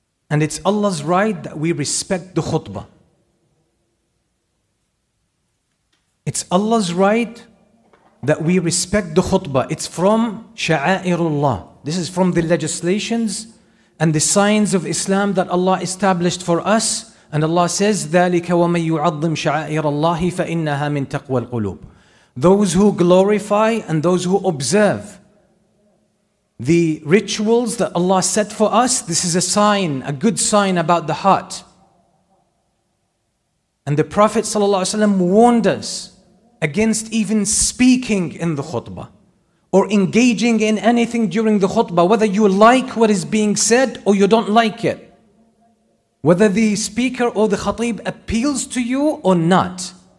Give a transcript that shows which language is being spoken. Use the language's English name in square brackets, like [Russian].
[English] And it's Allah's right that we respect the khutbah. It's Allah's right that we respect the khutbah. It's from sha'airullah. This is from the legislations and the signs of Islam that Allah established for us. And Allah says, [Arabic] ذَلِكَ وَمَنْ يُعَظِّمْ شَعَائِرَ اللَّهِ فَإِنَّهَا مِنْ تَقْوَى الْقُلُوبِ. [English] Those who glorify and those who observe the rituals that Allah set for us, this is a sign, a good sign about the heart. And the Prophet ﷺ warned us against even speaking in the khutbah or engaging in anything during the khutbah, whether you like what is being said or you don't like it, whether the speaker or the khatib appeals to you or not.